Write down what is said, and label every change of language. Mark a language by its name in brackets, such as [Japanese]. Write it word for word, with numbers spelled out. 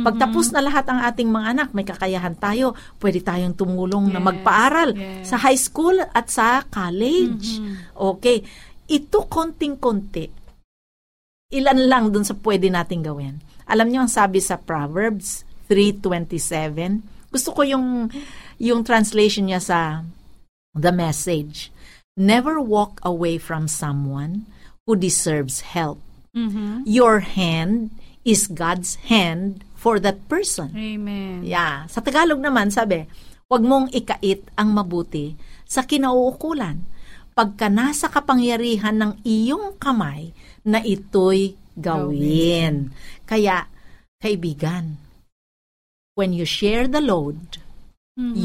[Filipino] Pagtapos na lahat ang ating mga anak, may kakayahan tayo, pwede tayong tumulong yes, na magpaaral yes. sa high school at sa college. Mm-hmm. Okay. Ito konting-konti. Ilan lang dun sa pwede nating gawin. Alam niyo ang sabi sa Proverbs three twenty-seven. Gusto ko yung, yung translation niya sa The Message. [English] Never walk away from someone who deserves help. Mm-hmm. Your hand is God's hand for that person. Amen. Yeah. [Filipino] Sa Tagalog naman, sabi, huwag mong ikait ang mabuti sa kinauukulan pagka nasa kapangyarihan ng iyong kamay na ito'y gawin. gawin. Kaya, kaibigan, [English] when you share the load, [Filipino] mm-hmm.